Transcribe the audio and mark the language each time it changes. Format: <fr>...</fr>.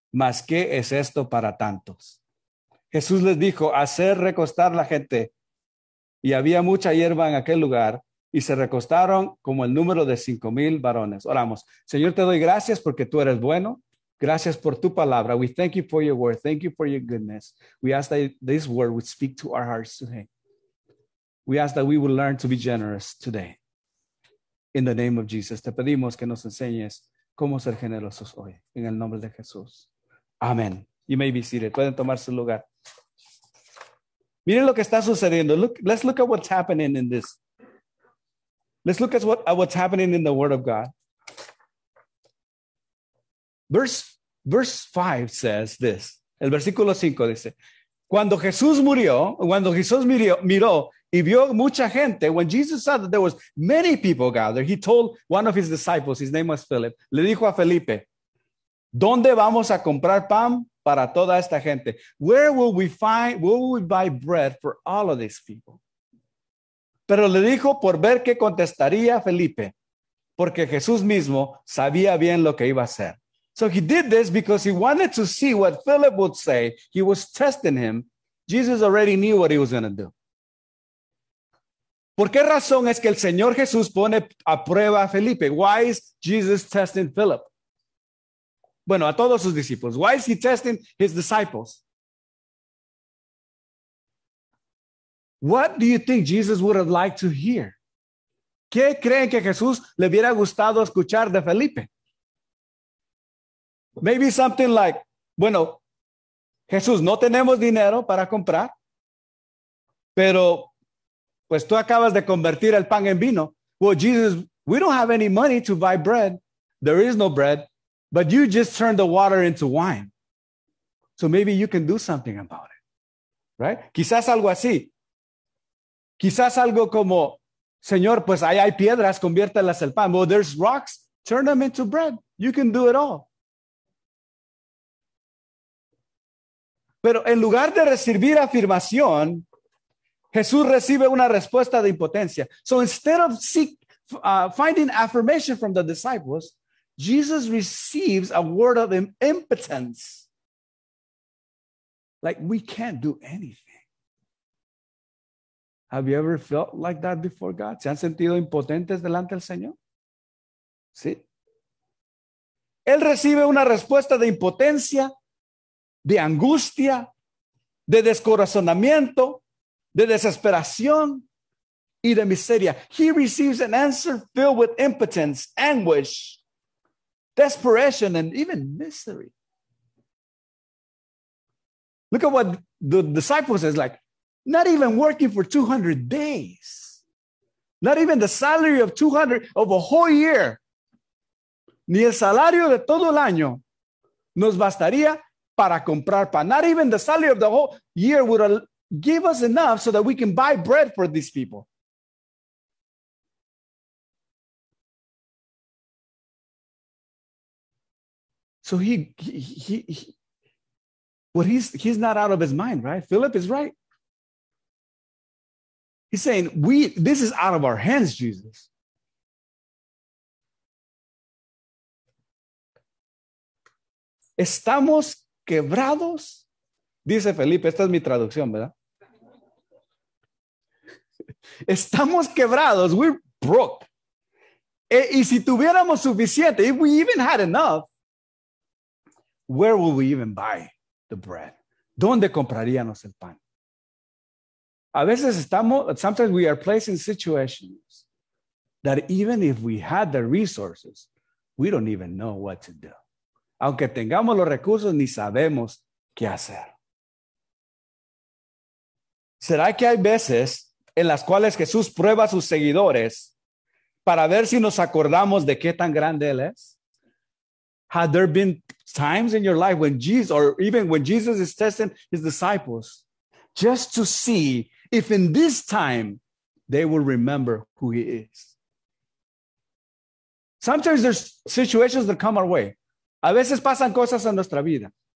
<es>¿Mas qué es esto para tantos? Jesús les dijo, hacer recostar la gente. Y había mucha hierba en aquel lugar, y se recostaron como el número de 5,000 varones. Oramos. Señor, te doy gracias porque tú eres bueno. Gracias por tu palabra.</es> <en>We thank you for your word. Thank you for your goodness. We ask that this word would speak to our hearts today. We ask that we would learn to be generous today. In the name of Jesus,</en> <es>te pedimos que nos enseñes cómo ser generosos hoy. En el nombre de Jesús. Amén.</es> <en>You may be seated.</en> <es>Pueden tomar su lugar. Miren lo que está sucediendo.</es> <en>Let's look at what's happening in this. Let's look at what's happening in the Word of God. Verse 5 says this.</en> <es>El versículo 5 dice, cuando Jesús murió, cuando Jesús miró y vio mucha gente,</es> <en>when Jesus saw that there was many people gathered, he told one of his disciples, his name was Philip,</en> <es>le dijo a Felipe, ¿dónde vamos a comprar pan para toda esta gente?</es> <en>Where will we find, where will we buy bread for all of these people?</en> <es>Pero le dijo por ver qué contestaría Felipe, porque Jesús mismo sabía bien lo que iba a hacer.</es> <en>So he did this because he wanted to see what Philip would say. He was testing him. Jesus already knew what he was going to do.</en> <es>¿Por qué razón es que el Señor Jesús pone a prueba a Felipe?</es> <en>Why is Jesus testing Philip?</en> <es>Bueno, a todos sus discípulos.</es> <en>Why is he testing his disciples? What do you think Jesus would have liked to hear?</en> <es>¿Qué creen que Jesús le hubiera gustado escuchar de Felipe?</es> <en>Maybe something like,</en> <es>bueno, Jesús, no tenemos dinero para comprar, pero pues tú acabas de convertir el pan en vino.</es> <en>Well, Jesus, we don't have any money to buy bread. There is no bread, but you just turned the water into wine. So maybe you can do something about it, right?</en> <es>Quizás algo así. Quizás algo como, Señor, pues ahí hay piedras, conviértelas en pan.</es> <en>Well, there's rocks, turn them into bread. You can do it all.</en> <es>Pero en lugar de recibir afirmación, Jesús recibe una respuesta de impotencia.</es> <en>So instead of finding affirmation from the disciples, Jesus receives a word of impotence. Like, we can't do anything. Have you ever felt like that before God?</en> <es>¿Se han sentido impotentes delante del Señor? Sí. Él recibe una respuesta de impotencia, de angustia, de descorazonamiento, de desesperación y de miseria.</es> <en>He receives an answer filled with impotence, anguish, desperation, and even misery. Look at what the disciples is like. Not even working for 200 days. Not even the salary of 200 of a whole year.</en> <es>Ni el salario de todo el año nos bastaría para comprar pan.</es> <en>Not even the salary of the whole year would give us enough so that we can buy bread for these people. So he's not out of his mind, right? Philip is right. He's saying, this is out of our hands, Jesus.</en> <es>Estamos quebrados, dice Felipe. Esta es mi traducción, ¿verdad? Estamos quebrados.</es> <en>We're broke.</en> <es>Y si tuviéramos suficiente,</es> <en>if we even had enough, where will we even buy the bread?</en> <es>¿Dónde compraríamos el pan? A veces estamos,</es> <en>sometimes we are placed in situations that even if we had the resources, we don't even know what to do.</en> <es>Aunque tengamos los recursos, ni sabemos qué hacer. ¿Será que hay veces en las cuales Jesús prueba a sus seguidores para ver si nos acordamos de qué tan grande Él es?</es> <en>Have there been times in your life when Jesus, or even when Jesus is testing his disciples, just to see if in this time they will remember who he is? Sometimes there's situations that come our way.</en> <es>A veces pasan cosas en nuestra vida.</es>